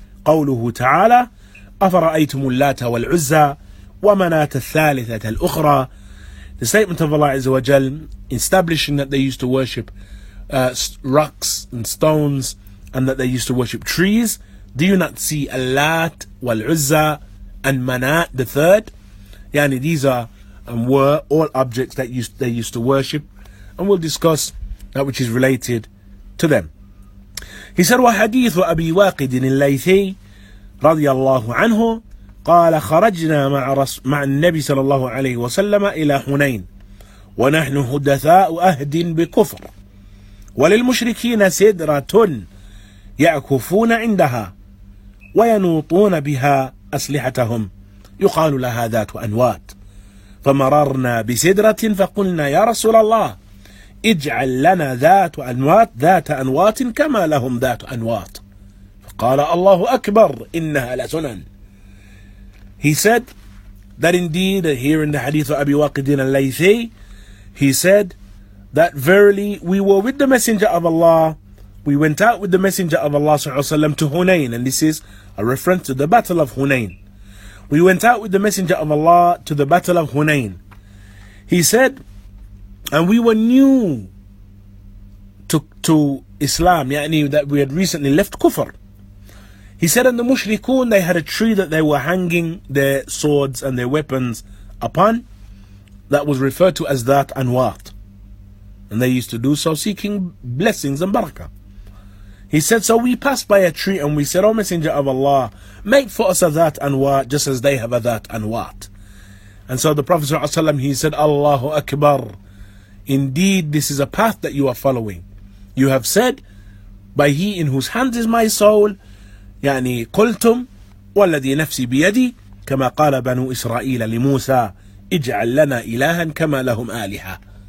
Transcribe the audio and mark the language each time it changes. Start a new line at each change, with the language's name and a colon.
Arabic: قوله تعالى: أفرأيتم اللات والعزى ومناة الثالثة الأخرى.
English: The statement of Allah Azza wa Jal establishing that they used to worship rocks and stones and that they used to worship trees. Do you not see Allat wal-Uzza and Manat the third? Yani these are and were all objects that they used to worship. And we'll discuss that which is related to them. He said,
Arabic: وحديث أبي واقد الليثي رضي الله عنه قال خرجنا مع النبي صلى الله عليه وسلم إلى حنين ونحن حدثاء أهد بكفر وللمشركين سدرة يعكفون عندها وينوطون بها أسلحتهم يقال لها ذات أنوات فمررنا بسدرة فقلنا يا رسول الله اجعل لنا ذات أنوات كما لهم ذات أنوات فقال الله أكبر إنها لسنن.
English: He said that indeed, here in the hadith of Abi Waqidin al-Laythi, he said that verily we were with the Messenger of Allah, we went out with the Messenger of Allah sallallahu alayhi wa sallam to Hunayn, and this is a reference to the Battle of Hunayn. We went out with the Messenger of Allah to the Battle of Hunayn. He said, and we were new to Islam, yani that we had recently left Kufr. He said, and the mushrikun, they had a tree that they were hanging their swords and their weapons upon, that was referred to as that anwat. And they used to do so seeking blessings and barakah. He said, so we passed by a tree and we said, O Messenger of Allah, make for us a that anwat just as they have a that anwat. And so the Prophet ﷺ, he said, Allahu Akbar, indeed this is a path that you are following. You have said, by he in whose hands is my soul,
Arabic: يعني قلتم والذي نفسي بيدي كما قال بنو إسرائيل لموسى اجعل لنا إلها كما لهم آلهة.